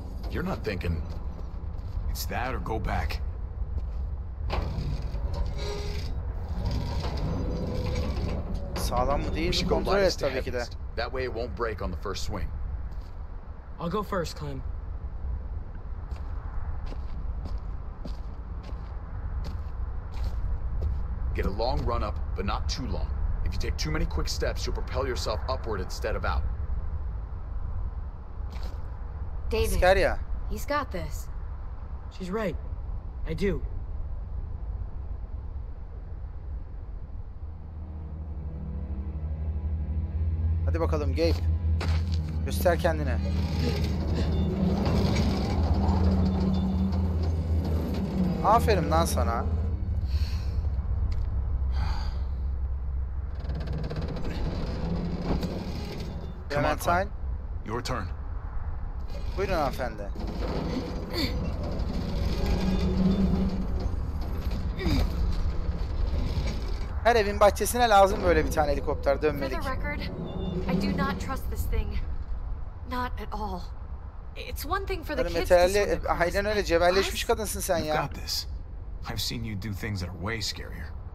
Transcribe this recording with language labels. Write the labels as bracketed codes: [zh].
[en] You're not thinking. It's that or go back. [tr] Sağlam mı değil mi kontrol et tabii ki de. [en] That way it won't break on the first swing. I'll go first, Clem. Get a long run up, but not too long. If you take too many quick steps, you'll propel yourself upward instead of out. David. Scaria. He's got this. She's right. I do. [tr] Hadi bakalım Gabe. Göster kendine. Aferin lan sana. [en] Come on, Clem. Your turn. [tr] Buyurun hanımefendi. Her evin bahçesine lazım böyle bir tane helikopter dönmedik. [en] For the record, I do not trust this thing. Not at all. It's one thing for the kids to swim across. [tr] Aynen öyle, cebelleşmiş kadınsın sen ya. [en] You've got this. I've seen you do things that are way scarier.